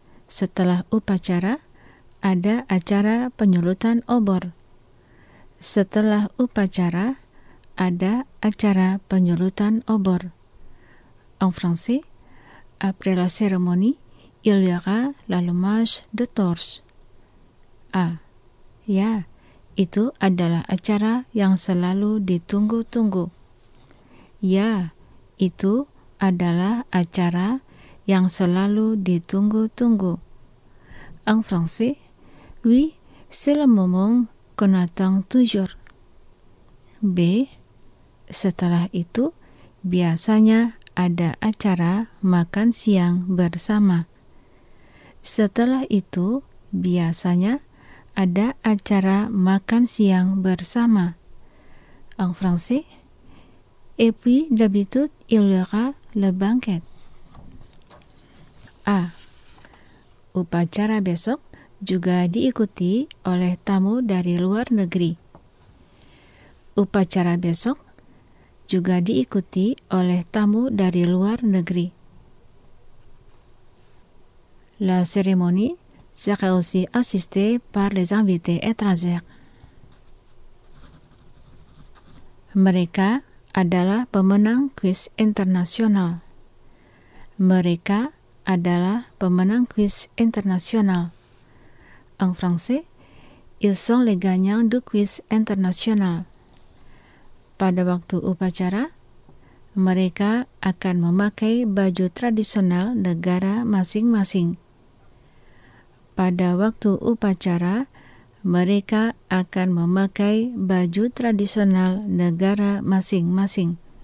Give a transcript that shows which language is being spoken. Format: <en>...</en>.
<id>Setelah upacara, ada acara penyulutan obor. Setelah upacara, ada acara penyulutan obor.</id> <fr>En français, après la cérémonie, il y aura l'allumage de torche. A.</fr> <id>Ya, itu adalah acara yang selalu ditunggu-tunggu. Ya, itu adalah acara yang selalu ditunggu-tunggu.</id> <fr>En français, oui, c'est le moment qu'on attend toujours. B.</fr> <id>Setelah itu, biasanya ada acara makan siang bersama. Setelah itu, biasanya ada acara makan siang bersama.</id> <fr>En français, et puis d'habitude, il y aura le banquet. A.</fr> <id>Upacara besok juga diikuti oleh tamu dari luar negeri. Upacara besok juga diikuti oleh tamu dari luar negeri.</id> <fr>La cérémonie sera aussi assistée par les invités étrangers.</fr> <id>Mereka adalah pemenang kuis internasional. Mereka adalah pemenang kuis internasional.</id> <fr>En français, ils sont les gagnants du quiz international.</fr> <id>Pada waktu upacara, mereka akan memakai baju tradisional negara masing-masing. Pada waktu upacara, mereka akan memakai baju tradisional negara masing-masing.</id>